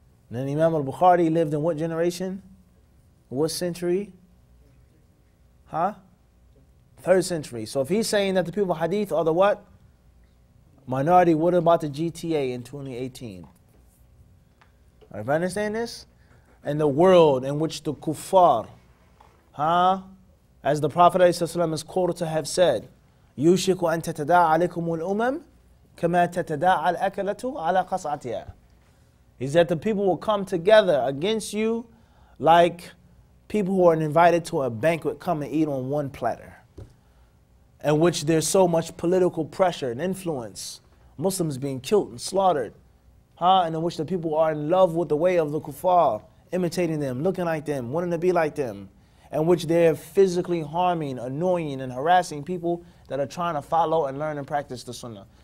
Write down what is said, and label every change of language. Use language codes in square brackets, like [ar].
[en] Then Imam al-Bukhari lived in what generation? What century? Huh? Third century. So if he's saying that the people of Hadith are the what? Minority, what about the GTA in 2018? Are you understanding this? And the world in which the kuffar, huh? [ar] As the Prophet ﷺ is quoted to have said, يُشِكُ أَن تَتَدَاعَ عَلَيْكُمُ الْأُمَمْ كَمَا تَتَدَاعَ الْأَكَلَةُ عَلَى قَصْعَتِهَا. [en] Is that the people will come together against you like people who are invited to a banquet come and eat on one platter, in which there's so much political pressure and influence, Muslims being killed and slaughtered, huh? And in which the people are in love with the way of the kuffar, imitating them, looking like them, wanting to be like them, in which they're physically harming, annoying, and harassing people that are trying to follow and learn and practice the sunnah.